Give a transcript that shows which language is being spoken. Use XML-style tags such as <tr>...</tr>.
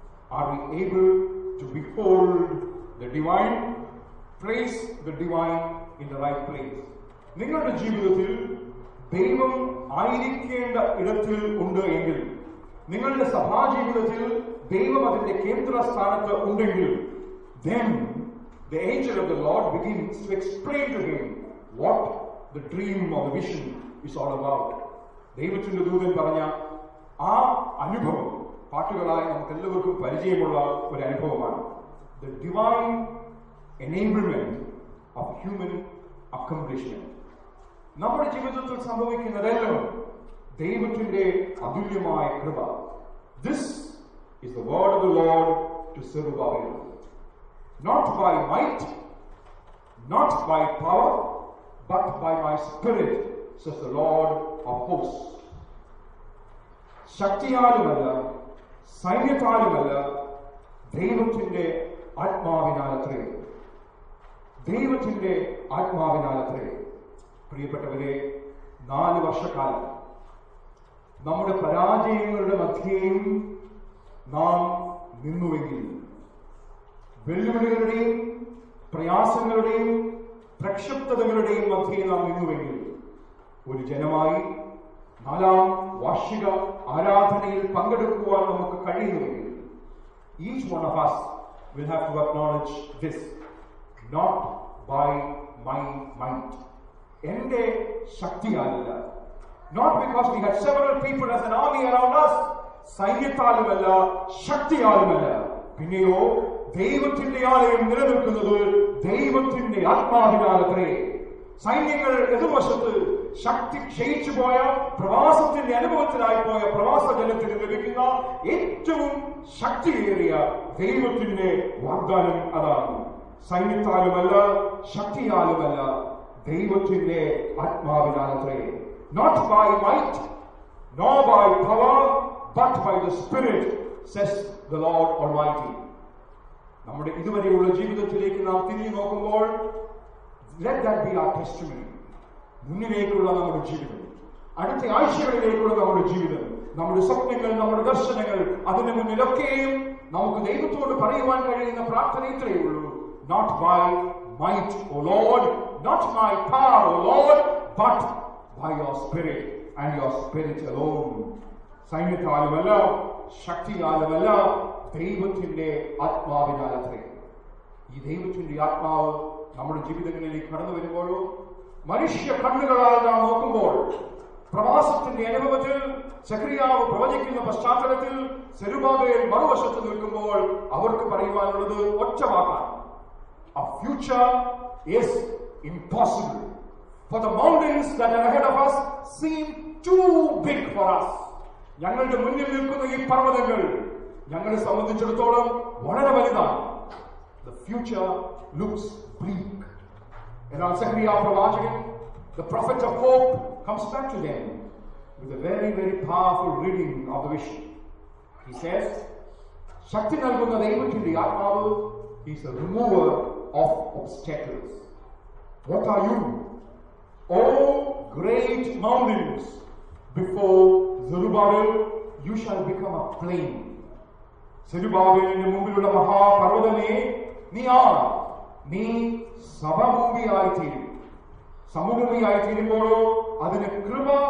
<en>Are we able to behold the divine, praise the divine in the right place?</en> <ml>നിങ്ങളുടെ ജീവിതത്തിൽ ദൈവം ആയിരിക്കേണ്ട ഇടത്തിൽ ഉണ്ട് എങ്കിൽ, നിങ്ങളുടെ സഭാജീവിതത്തിൽ ദൈവം അതിന്റെ കേന്ദ്ര സ്ഥാനത്ത് ഉണ്ടെങ്കിൽ,</ml> <en>then the angel of the Lord begins to explain to him what the dream or the vision is all about.</en> <ml>ദൈവത്തിന്റെ ദൂതൻ പറഞ്ഞ ആ അനുഭവം പാട്ടുകളായി നമുക്ക് എല്ലാവർക്കും പരിചയമുള്ള ഒരു അനുഭവമാണ്.</ml> <en>The divine enablement of human accomplishment.</en> <ml>നമ്മുടെ ജീവിതത്തിൽ സംഭവിക്കുന്നതെല്ലാം ദൈവത്തിന്റെ അതുല്യമായ കൃപ.</ml> <en>This is the word of the Lord to Zerubbabel. Not by might, not by power, but by my spirit, says the Lord of hosts.</en> <ml>ശക്തിയാലുമല്ല, സൈന്യത്താലുമല്ല, ദൈവത്തിന്റെ ആത്മാവിനാലത്രേ. ദൈവത്തിന്റെ ആത്മാവിനാലത്രേ. പ്രിയപ്പെട്ടവരെ, 4 വർഷക്കാലം നമ്മുടെ പരാജയങ്ങളുടെ മധ്യേയും നാം നിന്നുവെങ്കിൽ, വെല്ലുവിളികളുടെയും പ്രയാസങ്ങളുടെയും പ്രക്ഷുബ്ധതകളുടെയും മധ്യേ നാം നിന്നുവെങ്കിൽ, ഒരു ജനമായി 4th വാർഷിക ആരാധനയിൽ പങ്കെടുക്കുവാൻ നമുക്ക് കഴിയുന്നുവെങ്കിൽ,</ml> <en>Each one of us will have to acknowledge this. Not by my might.</en> <ml>എന്റെ ശക്തിയാലല്ല.</ml> <en>Not because we had several people as an army around us.</en> <ml>സൈന്യത്താലുമല്ല, ശക്തിയാലുമല്ല. പിന്നെയോ, ദൈവത്തിന്റെ ആലയം നിലനിൽക്കുന്നത് ദൈവത്തിന്റെ ആത്മാവിനാലത്രേ. സൈന്യങ്ങൾ എതിർവശത്ത് ശക്തി ക്ഷയിച്ചു പോയ, പ്രവാസത്തിന്റെ അനുഭവത്തിലായി പോയ പ്രവാസ ജനത്തിന് ലഭിക്കുന്ന ഏറ്റവും ശക്തിയേറിയ ദൈവത്തിന്റെ വാഗ്ദാനം അതാണ്. സൈന്യത്താലുമല്ല, ശക്തിയാലുമല്ല, ദൈവത്തിന്റെ ആത്മാവിനാലത്രേ.</ml> <en>Not by might, nor by power, but by the Spirit, says the Lord Almighty.</en> <ml>നമ്മുടെ ഇതുവരെയുള്ള ജീവിതത്തിലേക്ക് നാം തിരിഞ്ഞു നോക്കുമ്പോൾ,</ml> <en>let that be our testimony.</en> <ml>മുന്നിലേക്കുള്ള നമ്മുടെ ജീവിതം, അടുത്ത ആഴ്ചകളിലേക്കുള്ള നമ്മുടെ ജീവിതം, നമ്മുടെ സ്വപ്നങ്ങൾ, നമ്മുടെ ദർശനങ്ങൾ, അതിന്റെ മുന്നിലൊക്കെയും നമുക്ക് ദൈവത്തോട് പറയുവാൻ കഴിയുന്ന പ്രാർത്ഥന ഇത്രയേ ഉള്ളൂ.</ml> <en>Not by might, O Lord, not by power, O Lord, but by your spirit and your spirit alone.</en> <ml>സൈന്യത്താലുമല്ല, ശക്തിയാലുമല്ല, ദൈവത്തിന്റെ ആത്മാവിനാലത്രേ. ഈ ദൈവത്തിന്റെ ആത്മാവ് നമ്മുടെ ജീവിതങ്ങളിലേക്ക് കടന്നു വരുമ്പോഴോ, മനുഷ്യ കണ്ണുകളാൽ നാം നോക്കുമ്പോൾ, പ്രവാസത്തിന്റെ അനുഭവത്തിൽ സെഖര്യാവ് പ്രവചിക്കുന്ന പശ്ചാത്തലത്തിൽ സെരുബാബേൽ മറുവശത്ത് നിൽക്കുമ്പോൾ അവർക്ക് പറയുവാനുള്ളത് ഒറ്റ വാക്കാണ്,</ml> <en>A future is impossible. For the mountains that are ahead of us seem too big for us.</en> <ml>ഞങ്ങളുടെ മുന്നിൽ നിൽക്കുന്ന ഈ പർവ്വതങ്ങൾ ഞങ്ങളെ സംബന്ധിച്ചിടത്തോളം വളരെ വലുതാണ്.</ml> <en>The future looks bleak.</en> <ml>എന്നാൽ സെഖര്യാവ് പ്രവാചകൻ,</ml> <en>the prophet of hope, comes back to them with a very, very powerful reading of the vision. He says,</en> <ml>ശക്തി നൽകുന്ന ദൈവത്തിന്റെ ആത്മാവ്</ml> <en>is a remover of obstacles. What are you? O great mountains, before Zerubbabel, you shall become a plain.</en> <ml>സെരുബാബേലിന്റെ മുമ്പിലുള്ള മഹാപർവ്വതനെ നീ ആ, നീ സഭഭൂമിയായിത്തീരും. സമഭൂമിയായിത്തീരുമ്പോഴോ അതിന് കൃപ</ml>